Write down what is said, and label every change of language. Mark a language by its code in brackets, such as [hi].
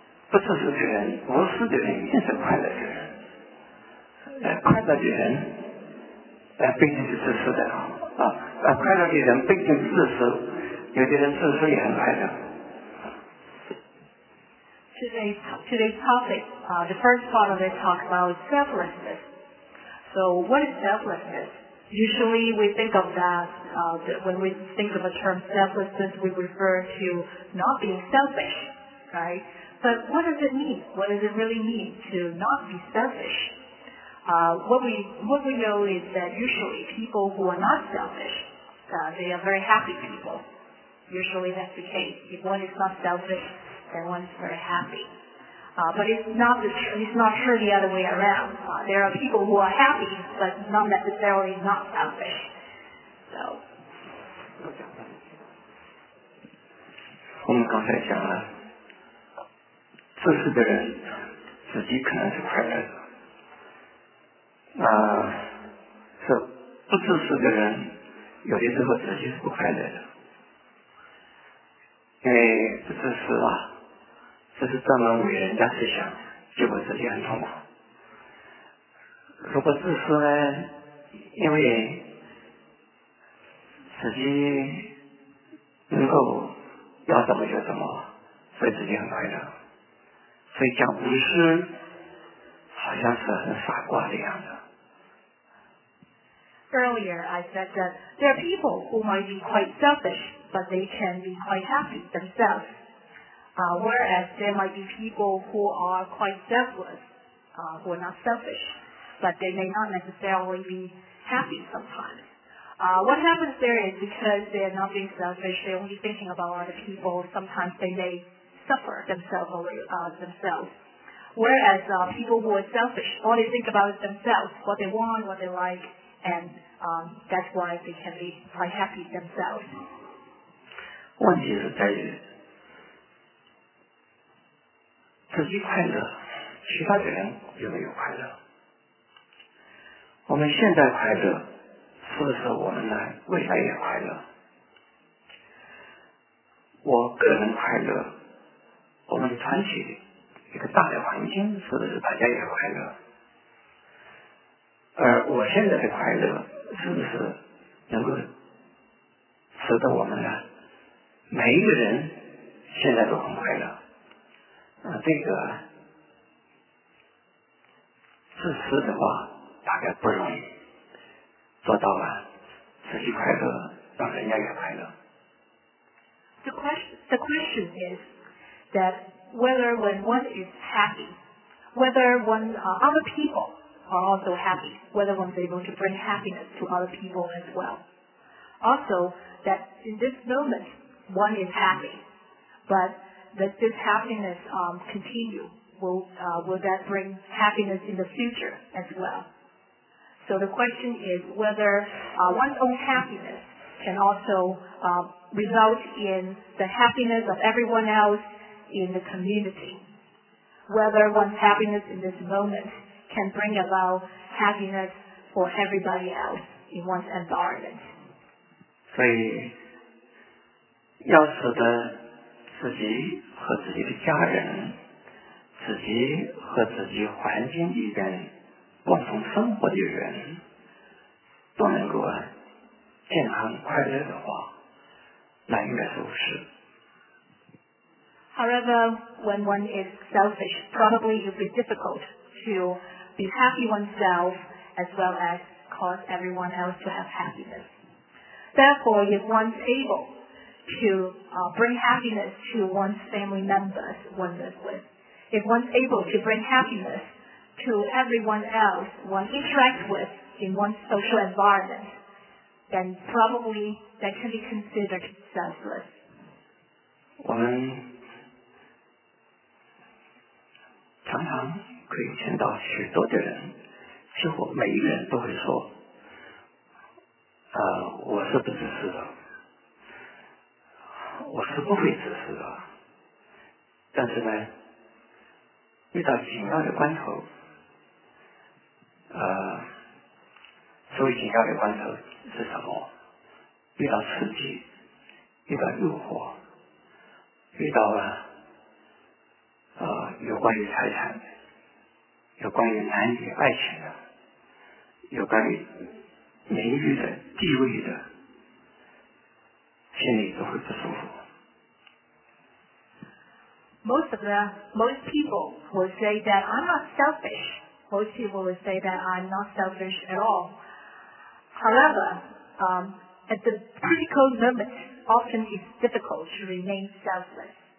[zh] 不自私的人、无私的人一定是快乐的人。快乐的人不一定是自私的，快乐的人不一定自私，有的人自私也很快乐。 [en] Today's topic, the first part of it talks about selflessness. So what is selflessness? Usually we think of that when we think of the term selflessness, we refer to not being selfish, right? But what does it mean? What does it really mean to not be selfish? What we know is that usually people who are not selfish, they are very happy people. Usually that's the case. If one is not selfish, then one is very happy. But it's not sure the other way around. There are people who are happy, but not necessarily not selfish. So. [zh] 我们刚才讲了，自私的人自己可能是快乐的，是不自私的人，有的时候自己是不快乐的，因为不自私啊，这是专门为人家设想，结果自己很痛苦。如果自私呢，因为自己能够要怎么就怎么，所以自己很快乐。所以讲无私好像是很傻瓜的样子。 [en] Earlier, I said that there are people who might be quite selfish, but they can be quite happy themselves. Whereas there might be people who are quite selfless, who are not selfish, but they may not necessarily be happy sometimes. What happens there is because they are not being selfish, they're only thinking about other people, sometimes they may suffer themselves. Whereas people who are selfish, all they think about is themselves, what they want, what they like,that's why they can be quite happy themselves. [zh] 问题是在于自己快乐，其他的人有没有快乐？我们现在快乐，是不是我们呢未来也快乐？我个人快乐，我们团体一个大的环境是不是大家也快乐？而我现在的快乐是不是能够使得我们呢每一个人现在都很快乐？这个自私的话大概不容易做到啊，自己快乐让人家也快乐。 [en] The question is that whether when one is happy, whether when other people are also happy, whether one is able to bring happiness to other people as well. Also, that in this moment, one is happy, but that this happiness continue, will that bring happiness in the future as well? So the question is whether one's own happiness can also result in the happiness of everyone else in the community. Whether one's happiness in this moment can bring about happiness for everybody else in one's environment. [zh] 所以要使得自己和自己的家人，自己和自己环境里边共同生活的人都能够健康快乐的话，那应该是无私。 [en] However, when one is selfish, probably it would be difficult to be happy oneself as well as cause everyone else to have happiness. Therefore, if one's able to bring happiness to one's family members one lives with, if one's able to bring happiness to everyone else one interacts with in one's social environment, then probably that can be considered selfless. [zh] 我们常常可以见到许多的人，几乎每一个人都会说我是不自私的，我是不会自私的。但是呢，遇到紧要的关头，所谓紧要的关头是什么？遇到刺激，遇到诱惑，遇到有关于财产，有关于男女爱情的，有关于名誉的、地位的，心里都会不舒服。 [en] Most people will say that I'm not selfish. Most people will say that I'm not selfish at all. However, at the critical moment, often it's difficult to remain selfless.